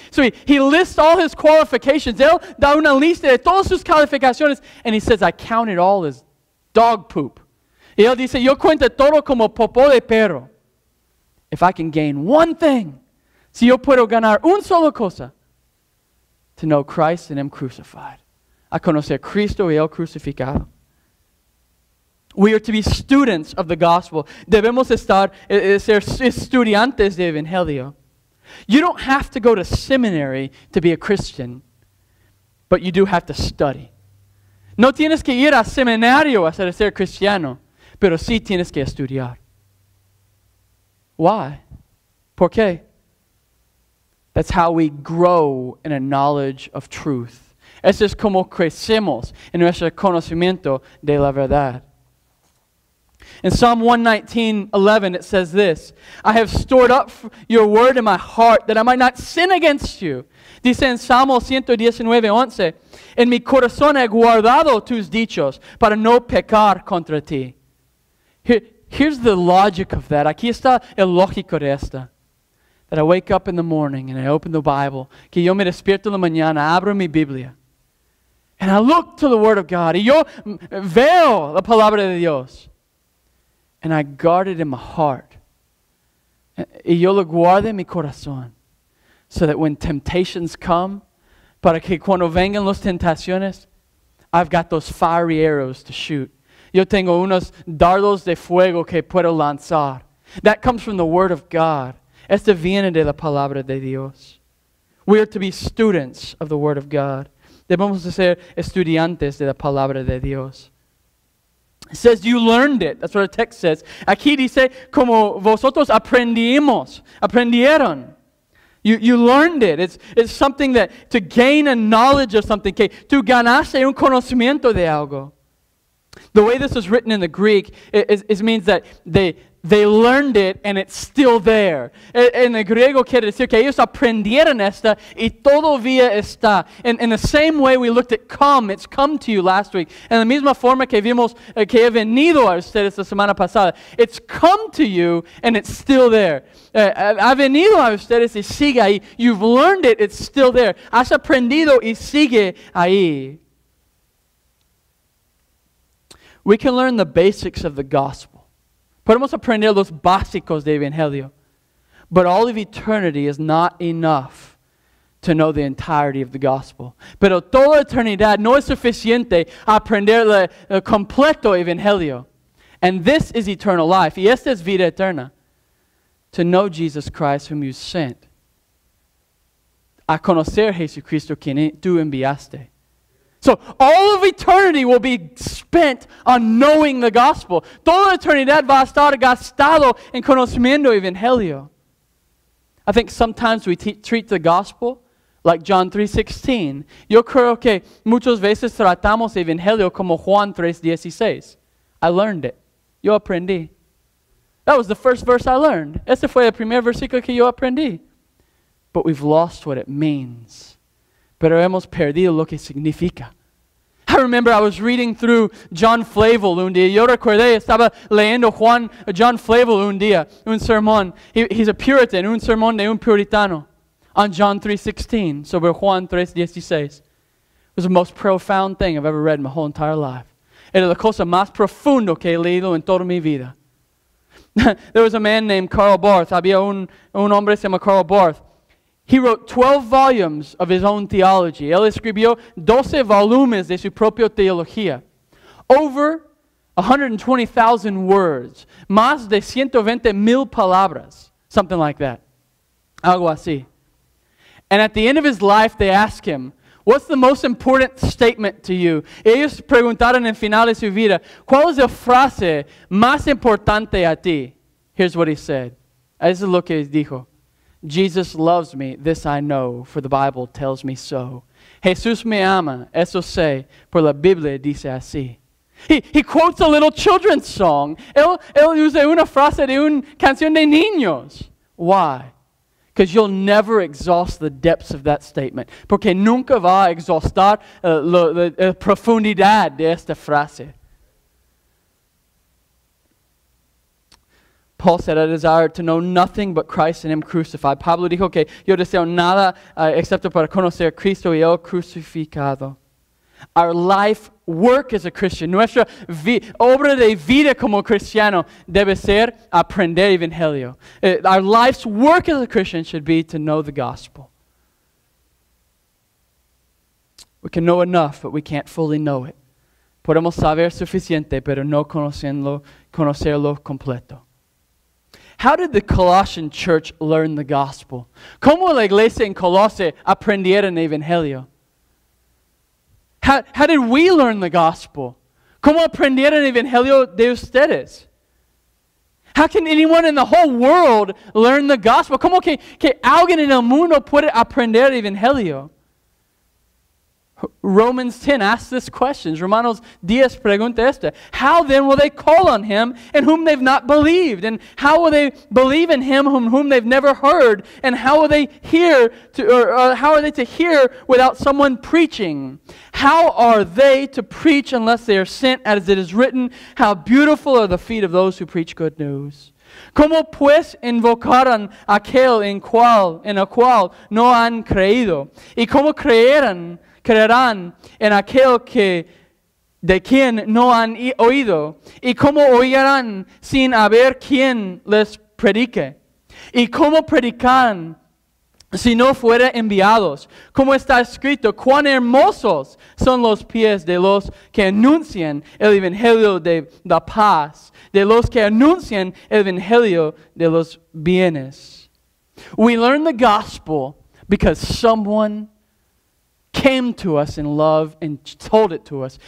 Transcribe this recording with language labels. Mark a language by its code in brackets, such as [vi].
[en] So he lists all his qualifications. [es] Él da una lista de todas sus calificaciones. [en] And he says, I count it all as dog poop. [es] Y él dice, yo cuento todo como popó de perro. [en] If I can gain one thing, [es] si yo puedo ganar un solo cosa, [en] to know Christ and Him crucified. [es] A conocer Cristo y Él crucificado. [en] We are to be students of the gospel. [es] Debemos estar ser estudiantes de evangelio. [en] You don't have to go to seminary to be a Christian, but you do have to study. [es] No tienes que ir a seminario a ser cristiano, pero sí tienes que estudiar. [en] Why? [es] ¿Por qué? [en] That's how we grow in a knowledge of truth. [es] Eso es como crecemos en nuestro conocimiento de la verdad. [en] In Psalm 119, 11, it says this, I have stored up your word in my heart that I might not sin against you. [es] Dice en Salmo 119, 11, en mi corazón he guardado tus dichos para no pecar contra ti. [en] Here's the logic of that. [es] Aquí está el lógico de esta. [en] That I wake up in the morning and I open the Bible. [es] Que yo me despierto en la mañana, abro mi Biblia. [en] And I look to the Word of God. [es] Y yo veo la palabra de Dios. [en] And I guard it in my heart. [es] Y yo lo guardo en mi corazón. [en] So that when temptations come, [es] para que cuando vengan las tentaciones, [en] I've got those fiery arrows to shoot. [es] Yo tengo unos dardos de fuego que puedo lanzar. [en] That comes from the Word of God. [es] Esto viene de la palabra de Dios. [en] We are to be students of the Word of God. [es] Debemos de ser estudiantes de la palabra de Dios. [en] It says you learned it. That's what the text says. [es] Aquí dice, como vosotros aprendimos, aprendieron. [en] You learned it. It's something that, to gain a knowledge of something, [es] que tú ganaste un conocimiento de algo. [en] The way this is written in the Greek, it means that they learned it and it's still there. [es] En el griego quiere decir que ellos aprendieron esta y todavía está. [en] And in the same way we looked at come, it's come to you last week. [es] En la misma forma que vimos que he venido a ustedes la semana pasada. [en] It's come to you and it's still there. [es] Ha venido a ustedes y sigue ahí. [en] You've learned it, it's still there. [es] Has aprendido y sigue ahí. [en] We can learn the basics of the gospel. [es] Podemos aprender los básicos del Evangelio. [en] But all of eternity is not enough to know the entirety of the gospel. [es] Pero toda eternidad no es suficiente aprender el completo Evangelio. [en] And this is eternal life. [es] Y esta es vida eterna. [en] To know Jesus Christ whom you sent. [es] A conocer Jesucristo quien tú enviaste. [en] So all of eternity will be spent on knowing the gospel. [es] Toda eternidad va a estar gastado en conocimiento evangelio. [en] I think sometimes we treat the gospel like John 3:16. [es] Yo creo que muchas veces tratamos evangelio como Juan 3:16. [en] I learned it. [es] Yo aprendí. [en] That was the first verse I learned. [es] Ese fue el primer versículo que yo aprendí. [en] But we've lost what it means. [es] Pero hemos perdido lo que significa. [en] I remember I was reading through John Flavel [es] un día. Yo recuerdo estaba leyendo John Flavel un día, un sermón. [en] He's a Puritan, [es] un sermón de un puritano. On John 3:16, sobre Juan 3:16. [en] It was the most profound thing I've ever read in my whole entire life. [es] Era la cosa más profundo que he leído en toda mi vida. [en] There was a man named Karl Barth. [es] Había un hombre se llama Karl Barth. [en] He wrote 12 volumes of his own theology. [es] Él escribió 12 volumes de su propia teología. [en] Over 120,000 words. [es] Más de 120,000 palabras. [en] Something like that. [es] Algo así. [en] And at the end of his life, they ask him, what's the most important statement to you? [es] Ellos preguntaron en final de su vida, ¿cuál es la frase más importante a ti? [en] Here's what he said. [es] Eso es lo que dijo. [en] Jesus loves me, this I know, for the Bible tells me so. [es] Jesús me ama, eso sé, por la Biblia dice así. [en] He quotes a little children's song. [es] Él usa una frase de una canción de niños. [en] Why? Because you'll never exhaust the depths of that statement. [es] Porque nunca va a exhaustar la profundidad de esta frase. [en] Paul said, I desire to know nothing but Christ and Him crucified. [es] Pablo dijo que yo deseo nada excepto para conocer a Cristo y Él crucificado. [en] Our life work as a Christian, [es] nuestra obra de vida como cristiano debe ser aprender evangelio. [en] Our life's work as a Christian should be to know the gospel. We can know enough, but we can't fully know it. [es] Podemos saber suficiente, pero no conocerlo completo. [en] How did the Colossian church learn the gospel? [es] ¿Cómo la iglesia en Colosse aprendieron el evangelio? [en] How did we learn the gospel? [es] ¿Cómo aprendieron el evangelio de ustedes? [en] How can anyone in the whole world learn the gospel? [es] ¿Cómo que alguien en el mundo puede aprender el evangelio? [en] Romans 10 asks this question. [es] Romanos 10 pregunta esta. [en] How then will they call on him in whom they've not believed? And how will they believe in him whom they've never heard? And how will they hear to hear without someone preaching? How are they to preach unless they are sent, as it is written, how beautiful are the feet of those who preach good news? [es] ¿Cómo pues invocarán aquel en el cual no han creído? ¿Y cómo creerán en aquel que de quien no han oído? ¿Y cómo oirán sin haber quien les predique? ¿Y cómo predicarán si no fueren enviados? ¿Cómo está escrito? ¿Cuán hermosos son los pies de los que anuncian el Evangelio de la paz? De los que anuncian el Evangelio de los bienes. [en] We learn the gospel because someone came to us in love and told it to us.